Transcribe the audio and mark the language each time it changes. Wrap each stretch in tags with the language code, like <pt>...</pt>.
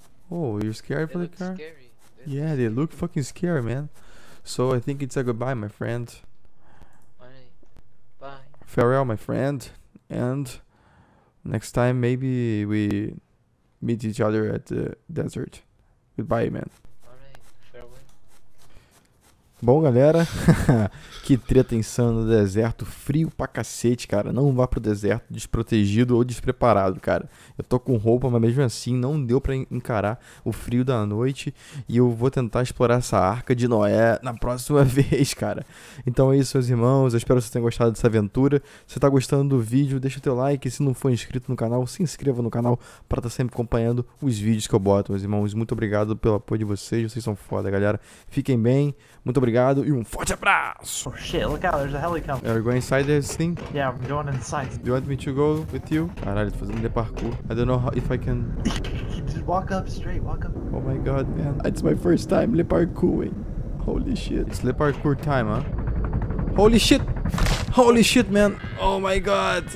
<en>Oh, you're scared for the car? Yeah, they look fucking scary, man. So I think it's a goodbye, my friend. Bye. Farewell, my friend. And next time, maybe we meet each other at the desert. Goodbye, man.</en> <pt>Bom, galera, que treta insana no deserto, frio pra cacete, cara, não vá pro deserto desprotegido ou despreparado, cara, eu tô com roupa, mas mesmo assim não deu pra encarar o frio da noite e eu vou tentar explorar essa Arca de Noé na próxima vez, cara, então é isso, meus irmãos, eu espero que vocês tenham gostado dessa aventura, se você tá gostando do vídeo, deixa o teu like, se não for inscrito no canal, se inscreva no canal pra tá sempre acompanhando os vídeos que eu boto, meus irmãos, muito obrigado pelo apoio de vocês, vocês são foda, galera, fiquem bem, muito obrigado e um forte abraço!</pt> <en>Oh shit, look out, there's a helicopter. Are you going inside this thing? Yeah, I'm going inside. Do you want me to go with you?</en> <pt>Caralho, tô fazendo de parkour.</pt> <en>I don't know how, if I can... Just walk up straight, walk up. Oh my god, man. It's my first time le parkouring. Holy shit. It's le parkour time, huh? Holy shit! Holy shit, man! Oh my god!</en>